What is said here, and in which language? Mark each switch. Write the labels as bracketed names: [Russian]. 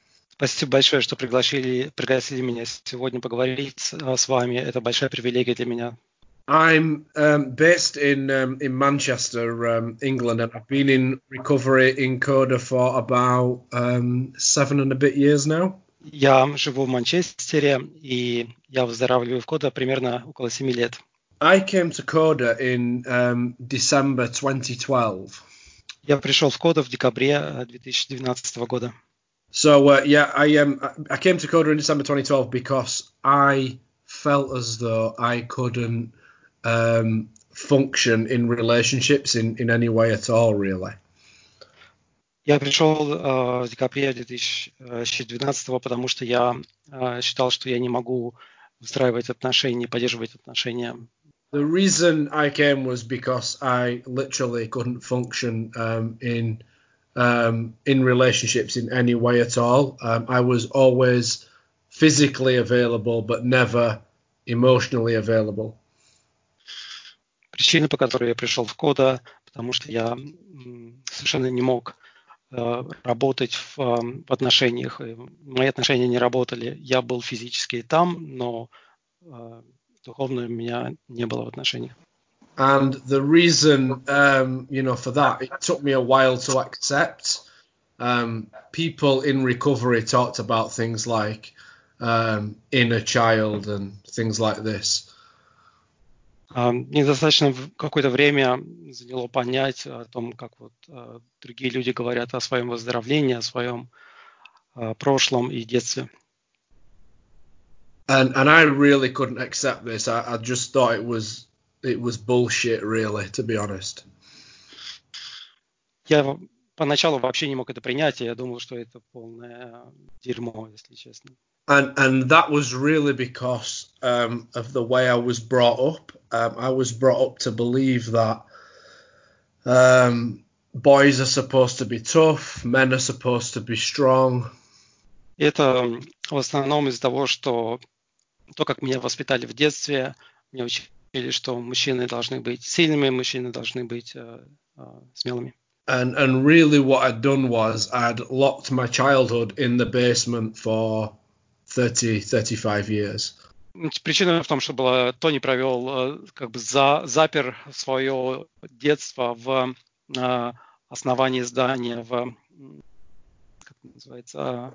[Russian] Спасибо большое, что пригласили меня сегодня поговорить с вами. Это большая привилегия для меня. [English] I'm based in Manchester, England, and I've been in recovery in Coda for about 7 and a bit years now. [Russian] Я живу в Манчестере, и я выздоравливаю в Кода примерно около 7 лет. [English] I came to Coda in December 2012. [Russian] Я пришел в Кода в декабре 2012 года. [English] So I came to Coda in December 2012 because I felt as though I couldn't function in relationships in any way at all, really. [Russian] Я пришел в декабре 2012, потому что я считал, что я не могу выстраивать отношения, поддерживать отношения. [English] The reason I came was because I literally couldn't function in relationships in any way at all. I was always physically available, but never emotionally available. [Russian] Причина, по которой я пришел в Кода, потому что я совершенно не мог работать в отношениях. Мои отношения не работали. Я был физически там, но духовно у меня не было в отношениях. [English] And the reason, you know, for that, it took me a while to accept. People in recovery talked about things like inner child and things like this. [Russian] Недостаточно какое-то время заняло понять о том, как вот другие люди говорят о своем выздоровлении, о своем прошлом и детстве. [English] And I really couldn't accept this. I just thought it was bullshit, really, to be honest. [Russian] Я поначалу вообще не мог это принять, я думал, что это полное дерьмо, если честно. [English] And that was really because of the way I was brought up. I was brought up to believe that boys are supposed to be tough, men are supposed to be strong. [Russian] Это в основном из-за того, что то, как меня воспитали в детстве, меня учили, что мужчины должны быть сильными, мужчины должны быть смелыми. [English] And really what I'd done was I'd locked my childhood in the basement for 30-35 years. [Russian] Причина в том, что было, Тони провел как бы запер свое детство в основании здания в как называется?